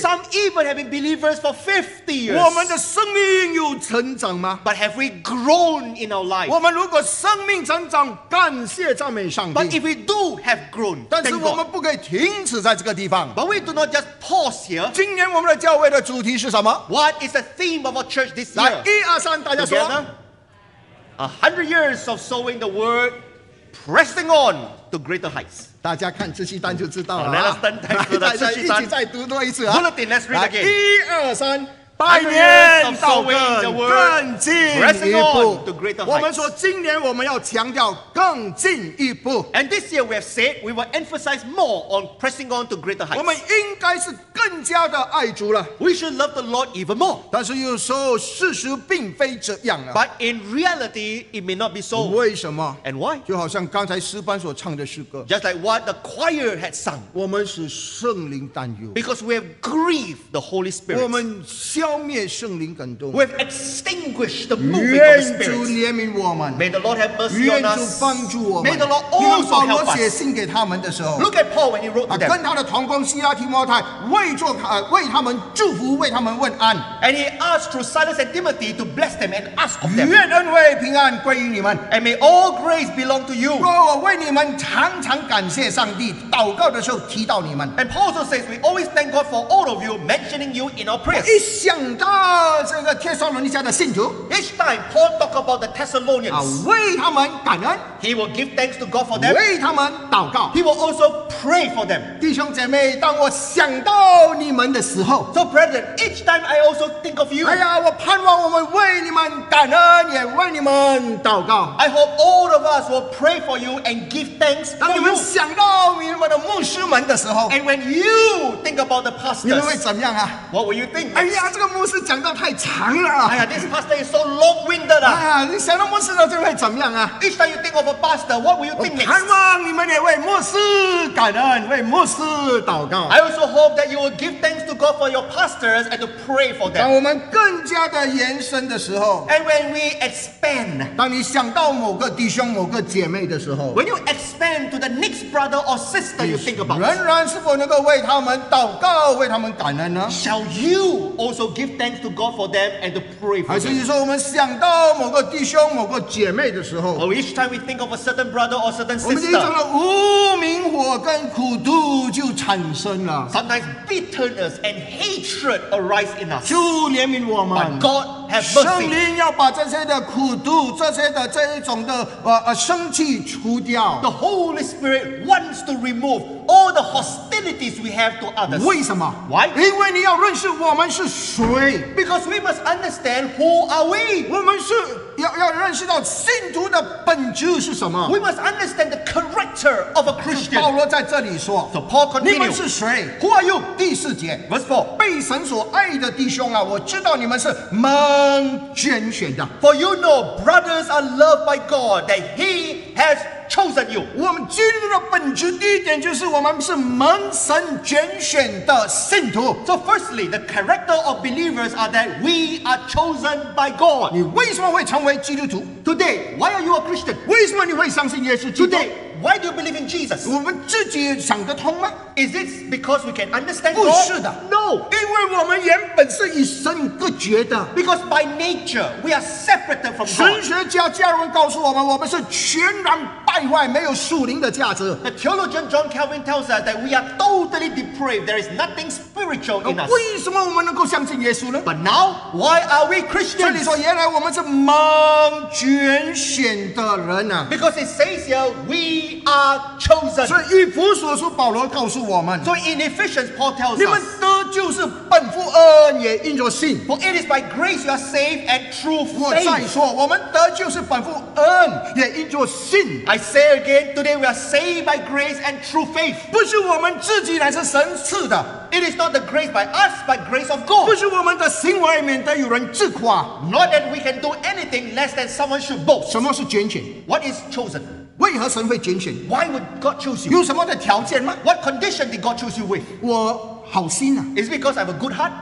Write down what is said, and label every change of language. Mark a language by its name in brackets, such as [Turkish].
[English] Some even have been believers for 50 years. [Chinese] 我们的生命有成长吗？ [English] But have we grown in our life? [Chinese] 我们如果生命成长，感谢赞美上帝。 [English] But if we do have grown, [Chinese] 但是我们不可以停止在这个地方。 [English] But we do not just pause here. [Chinese] 今年我们的教会的主题是什么？ [English] What is the theme of our church this year? [Chinese] 来，一二三，大家说。 [English] 100 years of sowing the word, pressing on to greater heights. [Chinese] 大家看这些单就知道了。 [English] Let us turn to the [Chinese] 大家一起再读多一次啊。 [English] Bulletin, let's read again. [Chinese] 一二三。百年祷告，更进一步。我们说，今年我们要强调更进一步。 [English] And this year we have said we will emphasize more on pressing on to greater heights. [Chinese] 我们应该是更加的爱主了。 [English] We should love the Lord even more. [Chinese] 但是有时候事实并非这样啊。 [English] But in reality, it may not be so. [Chinese] 为什么 [English] ？And why? [Chinese] 就好像刚才诗班所唱的诗歌。 [English] Just like what the choir had sung. [Chinese] 我们使圣灵担忧。 [English] Because we have grieved the Holy Spirit. [Chinese] 我们消灭圣灵感动。 [English] We've extinguished the moving of the Spirit. [Chinese] 愿主怜悯我们。 [English] May the Lord have mercy on us. [Chinese] 愿主帮助我们。 [English] May the Lord also help us. [Chinese] 因为保罗写信给他们的时候 [English] ，Look at Paul when he wrote to them. [Chinese] 跟他的同工希拉提摩太为做为他们祝福，为他们问安。 [English] And he asked through Silas and Timothy to bless them and ask of them. [Chinese] 愿恩惠平安归于你们。 [English] And may all grace belong to you. [Chinese] 若我为你们常常感谢上帝，祷告的时候提到你们。 [English] And Paul also says we always thank God for all of you, mentioning you in our prayers. [Chinese] 想到这个帖撒罗尼迦的信徒 [English] ，Each time Paul talk about the Thessalonians， [Chinese] 为他们感恩 [English] ，He will give thanks to God for them， [Chinese] 为他们祷告 [English] ，He will also pray for them。 [Chinese] 弟兄姐妹，当我想到候你们的时候。 [English] So brethren, each time I also think of you. [Chinese] 哎呀，我盼望我们为你们感恩，也为你们祷告。 [English] I hope all of us will pray for you and give thanks for you. [Chinese] 当你们想到你们的牧师们的时候。 [English] And when you think about the pastors, [Chinese] 你们会怎么样啊？ [English] What will you think? [Chinese] 哎呀，这个牧师讲道太长了。 [English] 哎呀， this pastor is so long-winded. [Chinese] 哎呀，你想到牧师的就会怎么样啊？ [English] Each time you think of a pastor, what will you think next? [Chinese] 我盼望你们也为牧师感恩，为牧师祷告。 [English] I also hope that you will give thanks to God for your pastors and to pray for them. [Chinese] 当我们更加的延伸的时候， [English] and when we expand, [Chinese] 当你想到某个弟兄、某个姐妹的时候， [English] when you expand to the next brother or sister you think about, [Chinese] 仍然是否能够为他们祷告、为他们感恩呢？ [English] Shall you also give thanks to God for them and to pray for them? [Chinese] 还是你说我们想到某个弟兄、某个姐妹的时候， [English] or each time we think of a certain brother or certain sister, [Chinese] 我们一种的无明火跟苦毒就产生了。 [English] Sometimes bitterness and hatred arise in us. [Chinese] 主怜悯我们。 [English] But God has mercy. [Chinese] 圣灵要把这些的苦毒、这些的这一种的生气除掉。 [English] The Holy Spirit wants to remove all the hostilities we have to others. [Chinese] 为什么？ [English] Why? [Chinese] 因为你要认识我们是谁。 [English] Because we must understand who are we. [Chinese] 我们是。要认识到信徒的本质是什么。 [English] We must understand the character of a Christian. [Chinese] 保罗在这里说。 [English] So Paul continued. [Chinese] 你们是谁？ [English] Who are you? [Chinese] 第四节。 [English] Verse 4. [Chinese] 被神所爱的弟兄啊，我知道你们是蒙拣选的。 [English] For you know, brothers are loved by God, that he has chosen you. [Chinese] 我们基督的本质第一点就是我们是蒙神拣选的信徒。 [English] So firstly, the character of believers are that we are chosen by God. [Chinese] 你为什么会成为基督徒？ [English] Today, why are you a Christian? [Chinese] 为什么你会相信耶稣基督？ [English] Today, why do you believe in Jesus? [Chinese] 我们自己想得通吗？ [English] Is it because we can understand God? [Chinese] 不是的。 [English] No. [Chinese] 因为我们原本是与神隔绝的。 [English] Because by nature, we are separated from God. [Chinese] 神学家加尔文告诉我们，我们是全然败坏，没有属灵的价值。 [English] The theologian John Calvin tells us that we are totally depraved. There is nothing spiritual in us. [Chinese] 为什么我们能够相信耶稣呢？ [English] But now, why are we Christians? [Chinese] 这里说原来我们是蒙拣选的人啊。 [English] Because it says here, we are chosen. [Chinese] 所以以弗所书保罗告诉我们。 [English] So in Ephesians, Paul tells us, [Chinese] 你们得救是本乎恩，也因着信。 [English] For it is by grace you are saved and through faith. [Chinese] 我再说，我们得救是本乎恩，也因着信。 [English] I say again, today we are saved by grace and through faith. [Chinese] 不是我们自己，乃是神赐的。 [English] It is not the grace by us, but grace of God. [Chinese] 不是我们的行为，免得有人自夸。 [English] Not that we can do anything less than someone should boast. [Chinese] 什么是拣选？ [English] What is chosen? [Chinese] 为何神会拣选？ [English] Why would God choose you? [Chinese] 有什么的条件吗？ [English] What condition did God choose you with? [Chinese] 我好心啊。 [English] Is it because I have a good heart?